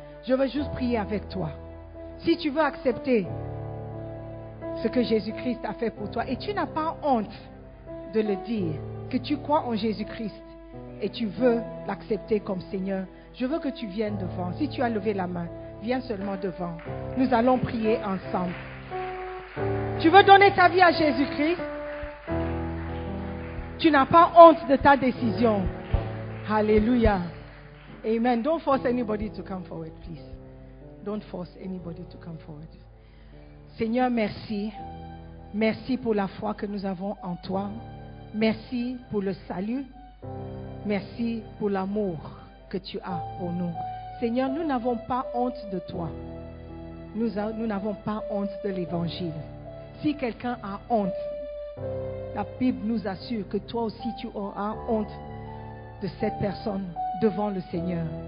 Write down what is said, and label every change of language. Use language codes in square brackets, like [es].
[fr] Je veux juste prier avec toi. Si tu veux accepter ce que Jésus-Christ a fait pour toi, et tu n'as pas honte de le dire, que tu crois en Jésus-Christ, et tu veux l'accepter comme Seigneur, je veux que tu viennes devant. Si tu as levé la main, viens seulement devant. Nous allons prier ensemble. Tu veux donner ta vie à Jésus-Christ? Tu n'as pas honte de ta décision. Alléluia. Amen. [en] Don't force anybody to come forward, please. Don't force anybody to come forward. [fr] Seigneur, merci. Merci pour la foi que nous avons en toi. Merci pour le salut. Merci pour l'amour que tu as pour nous. Seigneur, nous n'avons pas honte de toi. Nous n'avons pas honte de l'évangile. Si quelqu'un a honte, la Bible nous assure que toi aussi tu auras honte de cette personne devant le Seigneur.